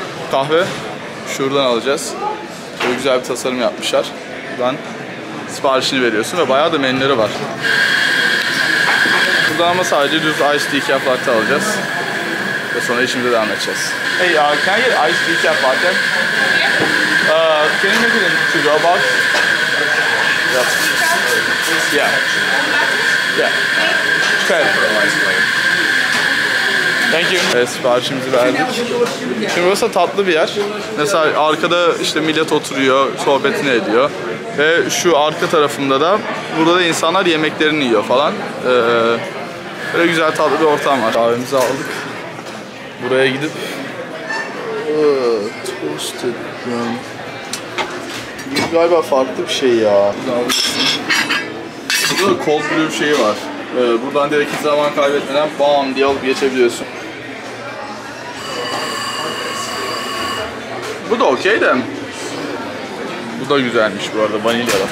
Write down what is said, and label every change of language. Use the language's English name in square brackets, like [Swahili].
[Turkish] Kahve şuradan alacağız. Böyle güzel bir tasarım yapmışlar. Buradan siparişini veriyorsun ve bayağı da menüleri var. Burada ama sadece düz iced decaf latte alacağız. Ve sonra işimize devam edeceğiz. [English] Hey, can you get iced decaf latte? Can you make it in to go box? Yeah. Yeah. Okay. Thank you. [Turkish] Evet, siparişimizi verdik. Şimdi burası tatlı bir yer. Mesela arkada işte millet oturuyor, sohbetini ediyor. Ve şu arka tarafında da burada da insanlar yemeklerini yiyor falan. Böyle güzel tatlı bir ortam var. Kahvemizi aldık. Buraya gidip toasted brown. Bu galiba farklı bir şey ya. Burada da cold brew şeyi var. Buradan direkt zaman kaybetmeden bam diye alıp geçebiliyorsun. Bu da okey de. Bu da güzelmiş bu arada, vanilyalı.